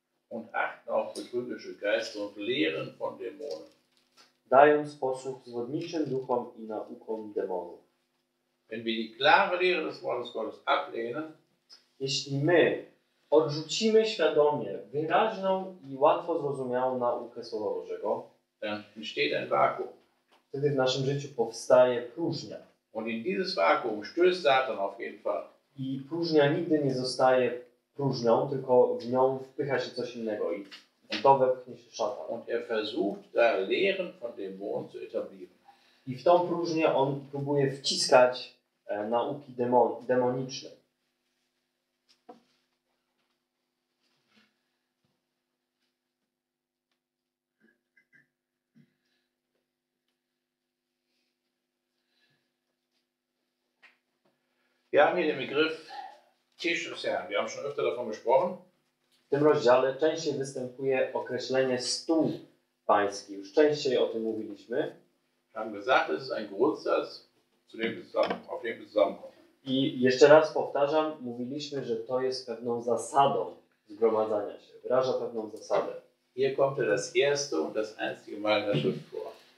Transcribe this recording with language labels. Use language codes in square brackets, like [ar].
[de] Und achten auf betrügerische Geister und Lehren von Dämonen. [pl] Dając posłuch zwodniczym duchom i naukom demonów. [de] Wenn wir die klare Lehre des Wortes Gottes ablehnen. [pl] Jeśli my odrzucimy świadomie wyraźną i łatwo zrozumiałą naukę Słowa Bożego. [de] Dann entsteht ein Vakuum. [pl] Wtedy w naszym życiu powstaje próżnia. [de] Und in dieses Vakuum stößt Satan auf jeden Fall. [pl] I próżnia nigdy nie zostaje próżnią, tylko w nią wpycha się coś innego i to wepchnie się szata. [de] Und er versucht da Lehren von Dämonen zu etablieren. [pl] I w tą próżnię on próbuje wciskać nauki demoniczne. [de] Wir haben hier den Begriff Tisch des Herrn. Wir haben schon öfter davon gesprochen. [pl] W tym rozdziale częściej występuje określenie stół pański. Już częściej o tym mówiliśmy. [de] Wir haben gesagt, es ist ein Grundsatz, zu dem auf dem wir zusammenkommen. [pl] I jeszcze raz powtarzam, mówiliśmy, że to jest pewną zasadą zgromadzania się. Wyraża pewną zasadę. [de] Hier kommt das erste und das einzige Mal in der Schrift vor.